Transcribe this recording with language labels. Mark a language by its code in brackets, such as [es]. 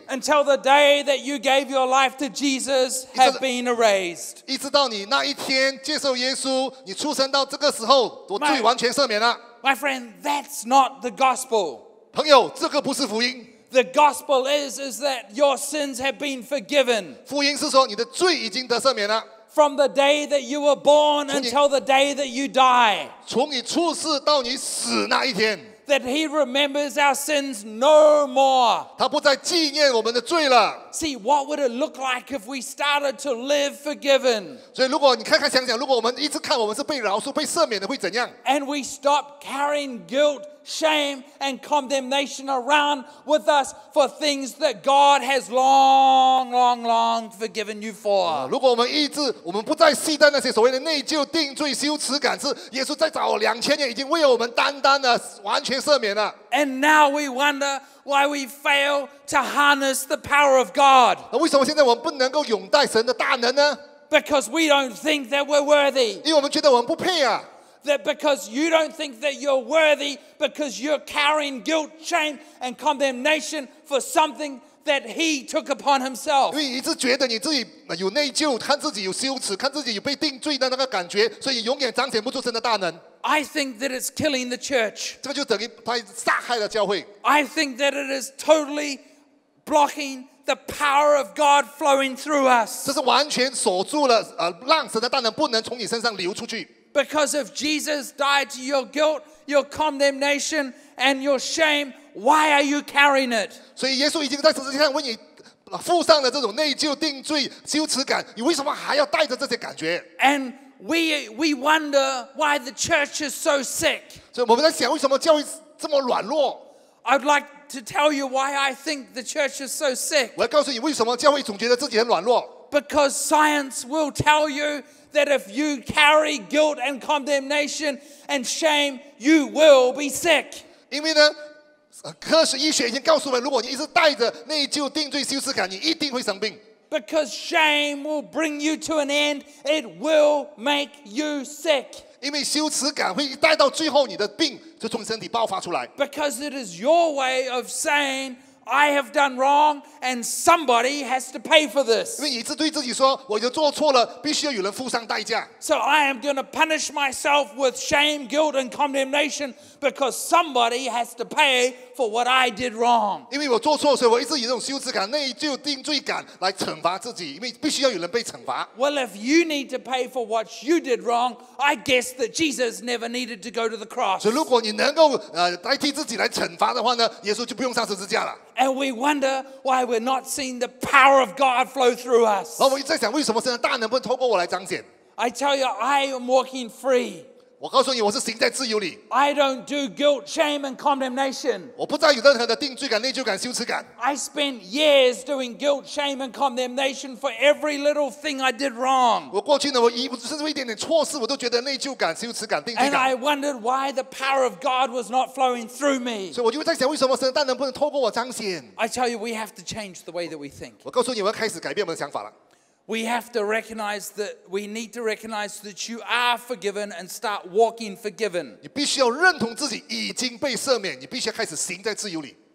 [en] until the day that you gave your life to Jesus have been erased. [zh] 一直到你那一天接受耶稣，你出生到这个时候，我罪完全赦免了。 [en] My friend, that's not the gospel. [zh] 朋友，这个不是福音。 [en] The gospel is that your sins have been forgiven. [zh] 福音是说你的罪已经得赦免了。 [en] From the day that you were born until the day that you die. [zh] 从你出世到你死那一天。 [en] That He remembers our sins no more. [zh] 他不再纪念我们的罪了。 [en] See, what would it look like if we started to live forgiven? [zh] 所以如果你看看想想，如果我们一直看我们是被饶恕、被赦免的，会怎样？ [en] And we stop carrying guilt, shame, and condemnation around with us for things that God has long, long, long forgiven you for. [zh] 如果我们不再携带那些所谓的内疚、定罪、羞耻感，是耶稣在早2000年已经为我们担当了，完全赦免了。 [en] And now we wonder why we fail to harness the power of God. [zh] 那为什么现在我们不能够拥戴神的大能呢？ [en] Because we don't think that we're worthy. [zh] 因为我们觉得我们不配啊。 [en] That because you don't think that you're worthy, because you're carrying guilt, shame, and condemnation for something that He took upon Himself. [zh] 因为一直觉得你自己有内疚，看自己有羞耻，看自己有被定罪的那个感觉，所以永远彰显不出神的大能。 [en] I think that it's killing the church. [zh] 这个就等于他杀害了教会。 [en] I think that it is totally blocking the power of God flowing through us. [zh] 这是完全锁住了，让神的大能不能从你身上流出去。 [en] Because if Jesus died to your guilt, your condemnation, and your shame, why are you carrying it? [zh] 所以耶稣已经在十字架上为你付上了这种内疚、定罪、羞耻感，你为什么还要带着这些感觉？ [en] And we wonder why the church is so sick. [zh] 所以我们在想为什么教会这么软弱。 [en] I'd like to tell you why I think the church is so sick. [zh] 我要告诉你为什么教会总觉得自己很软弱。 [en] Because science will tell you that if you carry guilt and condemnation and shame, you will be sick. [zh] 因为呢科学医学已经告诉我们，如果你一直带着内疚、定罪、羞耻感，你一定会生病。 [en] Because shame will bring you to an end, it will make you sick. [zh] 因为羞耻感会带到最后，你的病就从身体爆发出来。 [en] Because it is your way of saying, I have done wrong, and somebody has to pay for this. [zh] 因为你一直对自己说，我已经做错了，必须要有人付上代价。 [en] So I am going to punish myself with shame, guilt, and condemnation because somebody has to pay for what I did wrong. [zh] 因为我做错，所以我一直以这种羞耻感、内疚、定罪感来惩罚自己，因为必须要有人被惩罚。 [en] Well, if you need to pay for what you did wrong, I guess that Jesus never needed to go to the cross. [zh] 所以如果你能够代替自己来惩罚的话呢，耶稣就不用上十字架了。 [en] And we wonder why we're not seeing the power of God flow through us. [zh] 然后我一直在想，为什么神的大能不能透过我来彰显？ [en] I tell you, I am walking free. [zh] 我告诉你，我是行在自由里。 [en] I don't do guilt, shame, and condemnation. [zh] 我不再有任何的定罪感、内疚感、羞耻感。 [en] I spent years doing guilt, shame, and condemnation for every little thing I did wrong. [zh] 我过去呢，我甚至一点点错事，我都觉得内疚感、羞耻感、定罪感。 [en] And I wondered why the power of God was not flowing through me. [zh] 所以我就在想，为什么神的大能不能透过我彰显 [en] ？I tell you, we have to change the way that we think. [zh] 我告诉你，我要开始改变我们的想法了。 [en] We have to recognize that we need to recognize that you are forgiven and start walking forgiven. [zh] 你必须要认同自己已经被赦免，你必须要开始行在自由里。